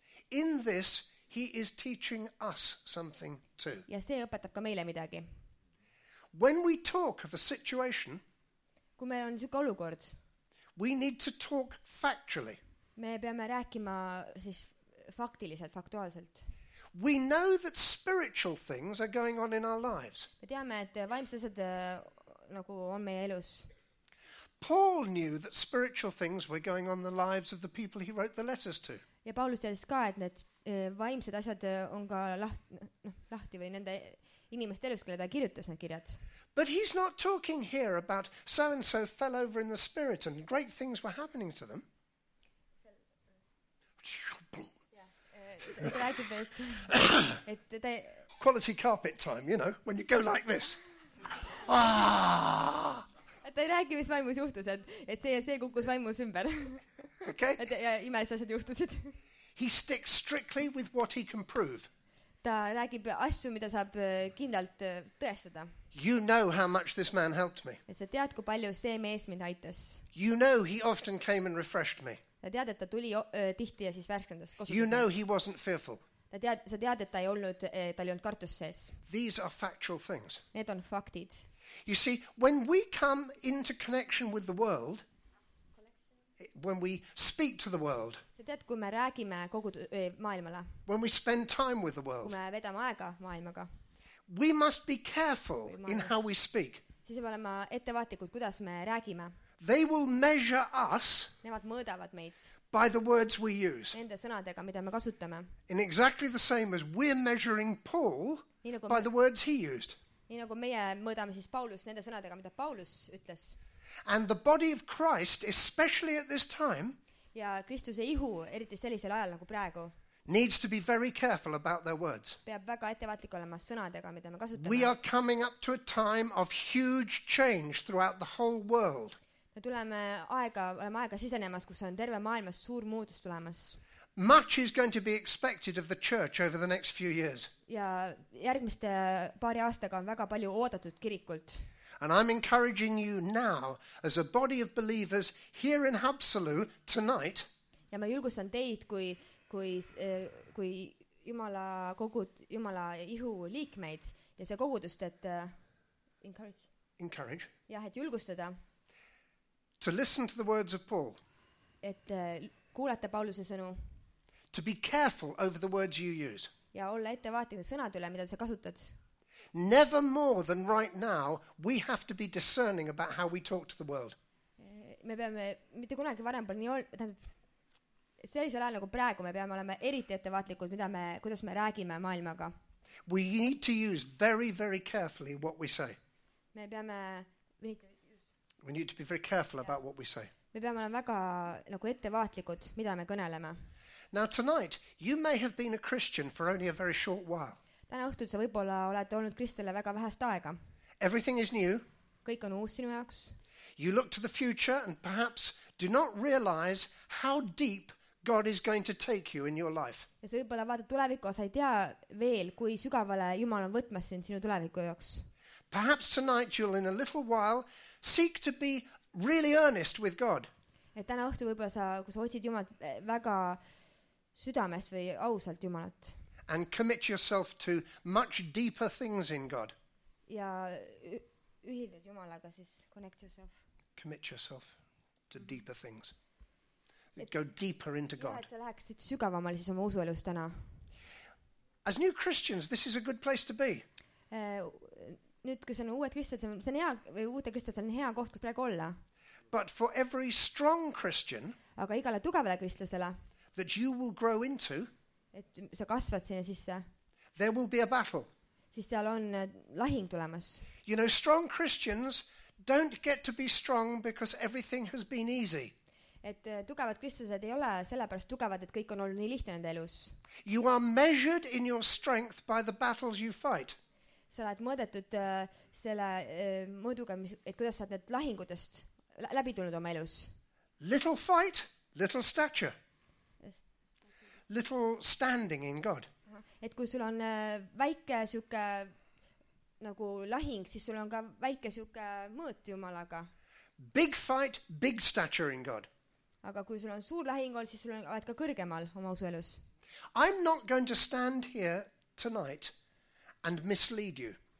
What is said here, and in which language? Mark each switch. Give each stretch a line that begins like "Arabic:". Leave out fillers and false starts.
English: In this he is teaching us something too.
Estonian: Ja see õpetab ka meile midagi.
English: When we talk of a situation,
Estonian: kui meil on siuke olukord,
English: we need to talk factually.
Estonian: Me peame rääkima siis faktiliselt, faktuaalselt.
English: We know that spiritual things are going on in our lives.
Estonian: Me teame, et vaimsed nagu on meie elus.
English: Paul knew that spiritual things were going on in the lives of the people he wrote the letters to.
Estonian: Ja Paulus teadis ka, et need vaimsed asjad on ka lahti või nende inimeste elus, kelle ta kirjutas need kirjad.
English: But he's not talking here about so and so fell over in the spirit and great things were happening to them.
Estonian: Ja, räägib, et, et ta
English: quality carpet time, you know, when you go like this. Ah!
Estonian: Et ta ei räägi, mis vaimus juhtus, et see ja see kukkus vaimus ümber. Okay. Et ja imelised asjad juhtusid.
English: He sticks strictly with what he can prove.
Estonian: Ta räägib asju, mida saab kindlalt tõestada.
English: You know how much this man helped me.
Estonian: Et sa tead, kui palju see mees mind aitas.
English: You know he often came and refreshed me.
Estonian: Ta tead, et ta tuli tihti ja siis värskendas.
English: You know he wasn't fearful.
Estonian: Sa tead, et ta ei olnud, tal ei olnud kartus sees.
English: These are factual things.
Estonian: Need on faktid.
English: You see, when we come into connection with the world, when we speak to the world,
Estonian: sa tead, kui me räägime kogu maailmale,
English: when we spend time with the world,
Estonian: kui me vedame aega maailmaga,
English: we must be careful in how we speak.
Estonian: Siis me oleme ettevaatlikud, kuidas me räägime.
English: They will measure us
Estonian: nemad mõõdavad meid
English: by the words we use.
Estonian: Nende sõnadega, mida me kasutame.
English: In exactly the same as we're measuring Paul by the words he used.
Estonian: Nii nagu meie mõõdame siis Paulus nende sõnadega, mida Paulus ütles.
English: And the body of Christ, especially at this time,
Estonian: ja Kristuse ihu, eriti sellisel ajal nagu praegu,
English: needs to be very careful about their words.
Estonian: Peab väga ettevaatlik olema sõnadega, mida me kasutame.
English: We are coming up to a time of huge change throughout the whole world.
Estonian: Me tuleme aega, oleme aega sisenemas, kus on terve maailmas suur muutus tulemas.
English: Much is going to be expected of the church over the next few years.
Estonian: Ja järgmiste paari aastaga on väga palju oodatud kirikult.
English: And I'm encouraging you now as a body of believers here in Haapsalu tonight.
Estonian: Ja ma julgustan teid kui Jumala kogud, Jumala ihu liikmeid ja see kogudust, et
English: encourage.
Estonian: Ja et julgustada.
English: To listen to the words of Paul.
Estonian: Et kuulata Pauluse sõnu.
English: To be careful over the words you use.
Estonian: Ja olla ettevaatlik sõnad üle, mida sa kasutad.
English: Never more than right now, we have to be discerning about how we talk to the world.
Estonian: Me peame mitte kunagi varem pole nii tähendab sellisel ajal nagu praegu me peame olema eriti ettevaatlikud, mida me kuidas me räägime maailmaga.
English: We need to use very very carefully what we say.
Estonian: Me peame
English: We need to be very careful about what we say.
Estonian: Me peame olema väga nagu ettevaatlikud, mida me kõneleme.
English: Now tonight, you may have been a Christian for only a very short while.
Estonian: Täna õhtul sa võib-olla oled olnud Kristele väga vähest aega.
English: Everything is new.
Estonian: Kõik on uus sinu jaoks.
English: You look to the future and perhaps do not realize how deep God is going to take you in your life.
Estonian: Ja sa võib-olla vaatad tuleviku, sa ei tea veel, kui sügavale Jumal on võtmas sind sinu tuleviku jaoks.
English: Perhaps tonight you'll in a little while seek to be really earnest with God.
Estonian: Et täna õhtu võib-olla sa, kui sa otsid Jumalt väga südamest või ausalt Jumalat.
English: And commit yourself to much deeper things in God.
Estonian: Ja ühildad Jumalaga siis
English: connect yourself. Commit yourself to deeper things. Go deeper into God.
Estonian: Ja, et sa läheksid sügavamal siis oma usuelus täna.
English: As new Christians, this is a good place to be.
Estonian: Nüüd, kui see on uued kristlad, see on hea, või uute kristlad, see on hea koht, kus praegu olla.
English: But for every strong Christian,
Estonian: aga igale tugevale kristlasele,
English: that you will grow into,
Estonian: et sa kasvad sinna sisse,
English: there will be a battle.
Estonian: Siis seal on lahing tulemas.
English: You know, strong Christians don't get to be strong because everything has been easy.
Estonian: Et tugevad kristlased ei ole sellepärast tugevad, et kõik on olnud nii lihtne nende elus.
English: You are measured in your strength by the battles you fight.
Estonian: Sa oled mõõdetud selle mõõduga, et kuidas sa oled lahingudest läbi tulnud oma elus.
English: Little fight, little stature. Little standing in God.
Estonian: Et kui sul on väike siuke nagu lahing, siis sul on ka väike siuke mõõt Jumalaga.
English: Big fight, big stature in God.
Estonian: Aga kui sul on suur lahing on, siis sul on ka kõrgemal oma usuelus.
English: I'm not going to stand here tonight and mislead you.